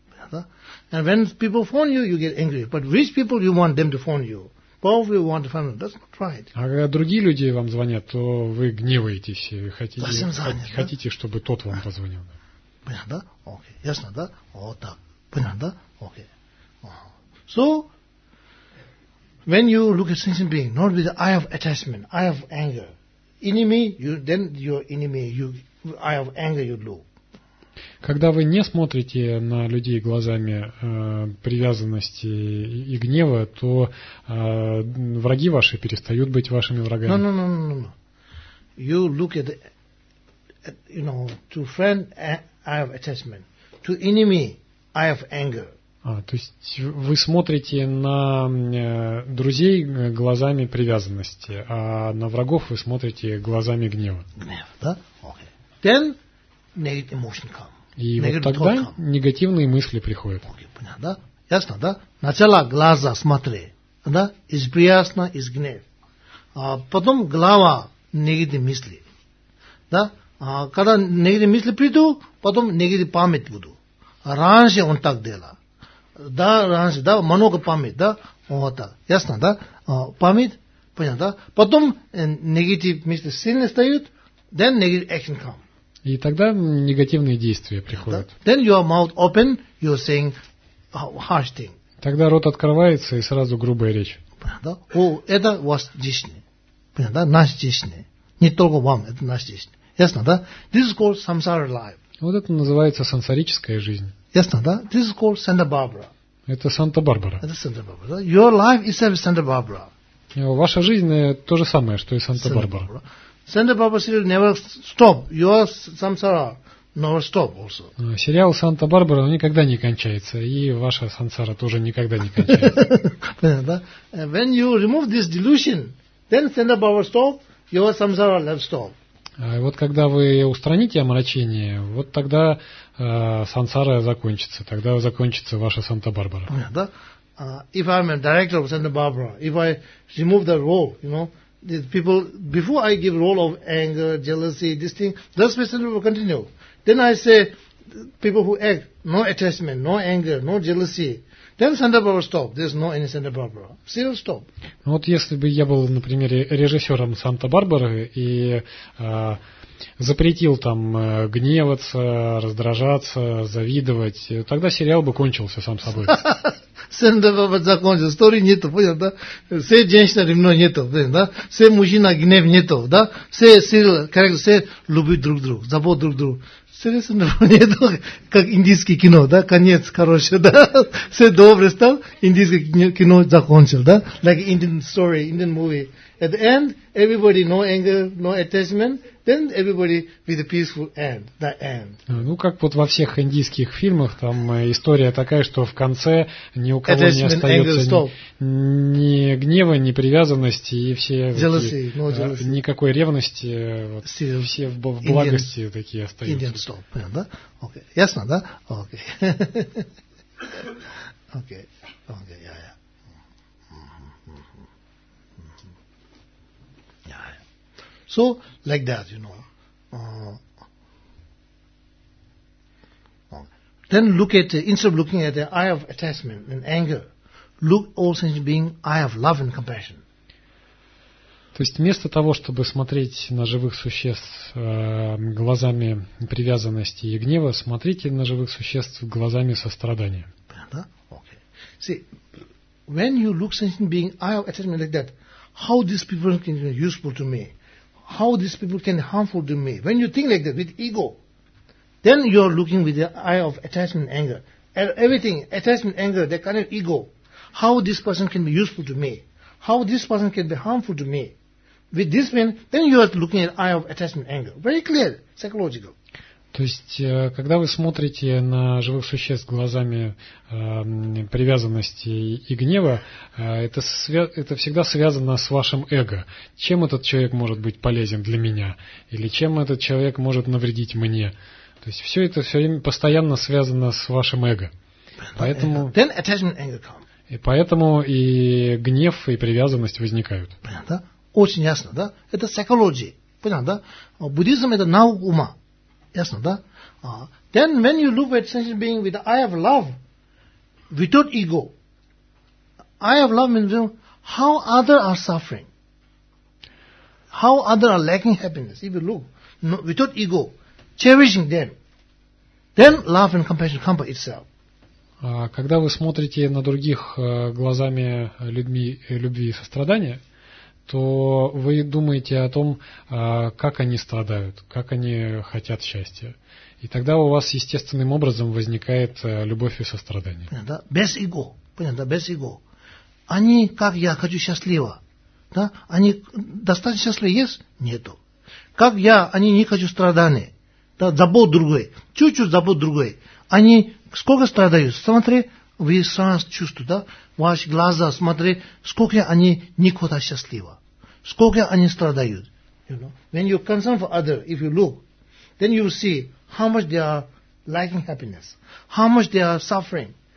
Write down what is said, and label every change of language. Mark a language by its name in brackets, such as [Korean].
[English] And when people phone you, you get angry. But rich people, you want them to phone you. Powerful you want to phone them. That's not right. [Russian] А когда другие люди вам звонят, то вы гневаетесь и хотите, чтобы тот вам позвонил. Понятно, да? Окей. Ясно, да? Вот так. Понятно, да? Окей. [English] So, when you look at sentient being, not with the eye of attachment, eye of anger, enemy, then your enemy, eye of anger you look. [Russian] Когда вы не смотрите на людей глазами привязанности и гнева, то враги ваши перестают быть вашими врагами. [English] No. You look at, you know, to friend, eye of attachment. To enemy, eye of anger. [Russian] То есть вы смотрите на друзей глазами привязанности, а на врагов вы смотрите глазами гнева. Гнев, да? [English] Okay. Then negative emotion comes. [Russian] И вот тогда негативные мысли приходят. [English] Okay, [Russian] понятно, да? Ясно, да? Сначала глаза смотри, да? Из приясно, из гнев. А потом голова негативные мысли. Да? А когда негативные мысли придут, потом негативная память буду. Раньше он так делал. Да, раньше, да? Много памяти, да? Вот так. Ясно, да? Память, понятно, да? Потом негативные мысли сильно встают, [English] then negative action comes. [Russian] И тогда негативные действия приходят. [English] Then your mouth open, you're saying harsh thing. [Russian] Тогда рот открывается и сразу грубая речь. Понятно? О, это ваш дичный. Понятно? Наш дичный. Не только вам, это наш дичный. Ясно, да? [English] This is called samsara life. [Russian] Вот это называется сансарическая жизнь. Ясно, да? [English] This is called Santa Barbara. [Russian] Это Санта-Барбара. Это Санта-Барбара. Да? [English] Your life is like Santa Barbara. [Russian] Ваша жизнь то же самое, что и Санта-Барбара. [English] Santa Barbara series never stop. Your samsara never stop also. [Russian] Сериал Santa Barbara никогда не кончается, и ваша сансара тоже никогда не кончается. [English] When you remove this delusion, then Santa Barbara stop, your samsara never stop. [Russian] Вот когда вы устраните омрачение, вот тогда сансара закончится, тогда закончится ваша Санта Барбара. Понятно, да? [English] If I'm a director of Santa Barbara, if I remove that role, you know, the people, before I give role of anger, jealousy, this thing, the person will continue. Then I say, people who act, no attachment, no anger, no jealousy, then Santa Barbara stop. There's no any Santa Barbara. See, you stop. [Russian] Вот если бы я был, например, режиссером Санта-Барбары и запретил там гневаться, раздражаться, завидовать, тогда сериал бы кончился сам собой. Сэндовый закончил. Истории нету, понял, да? Все женщины ревной нету, да? Все мужчины гнев нету, да? Все сериалы, как все любят друг друга, забот друг друга. Все сэндовый нету, как индийский кино, да? Конец, короче, да? Все добрый стал, индийское кино закончил, да? [English] Like Indian story, Indian movie. At the end, everybody no anger, no attachment. Then everybody with a peaceful end, the end. [Russian] Ну, как вот во всех индийских фильмах, там история такая, что в конце ни у кого не остается ни гнева, ни привязанности, и все [English] jealousy, no jealousy. [Russian] Никакой ревности, вот, все в благости [English] Indian, [Russian] такие остаются. [English] Indian stop, [Russian] понятно, да? [English] Okay. [Russian] Ясно, да? Окей. Окей, окей, я. [English] So, like that, you know. Then look at, instead of looking at the eye of attachment and anger, look all sentient beings eye of love and compassion. [Russian] То есть вместо того, чтобы смотреть на живых существ глазами привязанности и гнева, смотрите на живых существ глазами сострадания. Да? [English] Okay. See, when you look sentient being eye of attachment like that, how these people can be useful to me? How these people can harmful to me? When you think like that with ego, then you are looking with the eye of attachment, anger, everything, attachment, anger, that kind of ego. How this person can be useful to me? How this person can be harmful to me? With this man, then you are looking at eye of attachment, anger. Very clear, psychological. [Russian] То есть, когда вы смотрите на живых существ глазами привязанности и гнева, это всегда связано с вашим эго. Чем этот человек может быть полезен для меня? Или чем этот человек может навредить мне? То есть, все это все время постоянно связано с вашим эго. Поэтому, [English] then attachment anger comes. [Russian] И поэтому и гнев, и привязанность возникают. Понятно, да? Очень ясно, да? Это психология. Понятно, да? Буддизм – это наука ума. Ясно, да? [English] Then when you look at sentient being with the eye of love, without ego, eye of love means how other are suffering, how other are lacking happiness. If you look without ego, cherishing them, then love and compassion come by itself. [Russian] Когда вы смотрите на других глазами людьми любви и сострадания, то вы думаете о том, как они страдают, как они хотят счастья. И тогда у вас естественным образом возникает любовь и сострадание. Понятно? Без эго. Понятно? Без эго. Они, как я, хочу счастливо. Да? Они достаточно счастливы, есть? Нету. Как я, они не хочу страдания. Да? Забот другой. Чуть-чуть забот другой. Они сколько страдают? Смотри, вы сразу чувствуете, да? Ваши глаза, смотри, сколько они никогда счастливы, сколько они страдают. [English] You know? When you concern for others, if you look, then you see how much they are lacking happiness, how much they are suffering.